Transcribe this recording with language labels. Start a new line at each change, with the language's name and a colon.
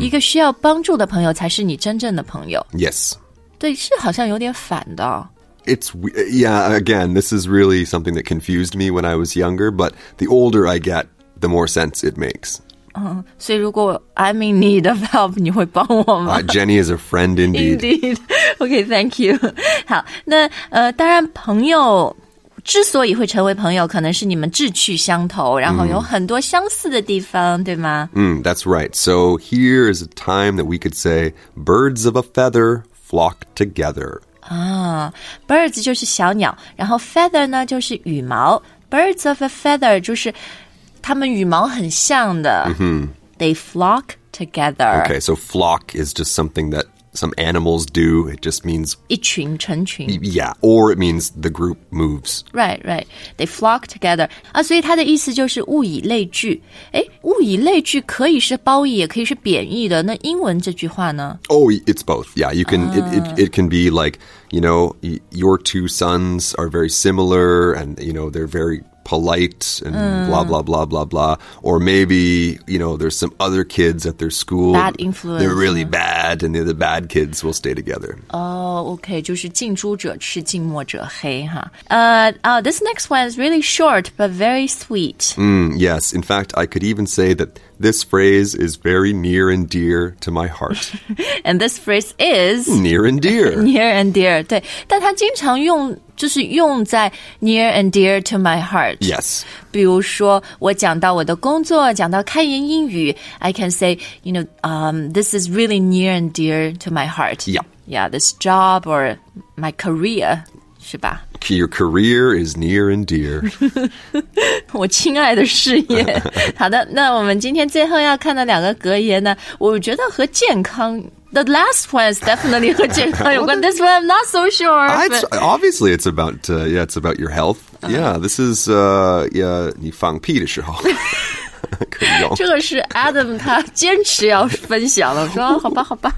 Chinese: 一个需要帮助的朋友才是你真正的朋友。
English: Yes.
Chinese: 对，是好像有点反的。
English: It's, yeah, again, this is really something that confused me when I was younger, but the older I get, the more sense it makes.
Chinese: 嗯，所以如果
English: I'm in need of help,
Chinese: 你会帮我吗、
English: Jenny is a friend indeed. Indeed. Okay, thank you.
Chinese: 好，那当然朋友之所以会成为朋友，可能是你们志趣相投，然后有很多相似的地方，对吗？
English: That's right. So here is a time that we could say, birds of a feather flock together.
Chinese: Birds 就是小鸟，然后 feather 呢就是羽毛。
English: Birds of a feather
Chinese: 就是它们羽毛很像的。 Mm-hmm.
English: They flock together. Okay, so flock is just something that some animals do. It just means
Chinese: 一群成群。
English: Yeah, or it means the group moves. Right, right. They flock together.
Chinese: 所以它的意思就是物以类聚。哎，物以类聚可以是褒义，也可以是贬义的。那英文这句话呢？
English: Oh, it's both. Yeah, you can,it can be like, you know, your two sons are very similar and, you know, they're very polite and blah, blah, blah, blah, blah. Or maybe, you know, there's some other kids at their school. Bad influence. They're really bad and the bad kids will stay together. Oh, okay.
Chinese: 就是近朱者赤，近墨者黑哈。
English: This next one is really short, but very sweet. Yes. In fact, I could even say that this phrase is very near and dear to my heart. And this phrase is... Near and dear. Near and dear.
Chinese: 对。但它经常用就是用在
English: near and dear to my heart. Yes.
Chinese: 比如说我讲到我的工作，讲到开言英语，
English: I can say, you know, this is really near and dear to my heart. Yeah. Yeah, this job or my career,
Chinese: 是吧？
English: Your career is near and dear.
Chinese: 我亲爱的事业。好的，那我们今天最后要看的两个格言呢，我觉得和健康。
English: The last one is definitely
Chinese: 和健康有关。
English: This one I'm not so sure. Obviously, it's about, yeah, it's about your health. Yeah, this is, yeah,
Chinese: 你放屁的时候。这个是 Adam 他坚持要分享了，说好吧，好吧。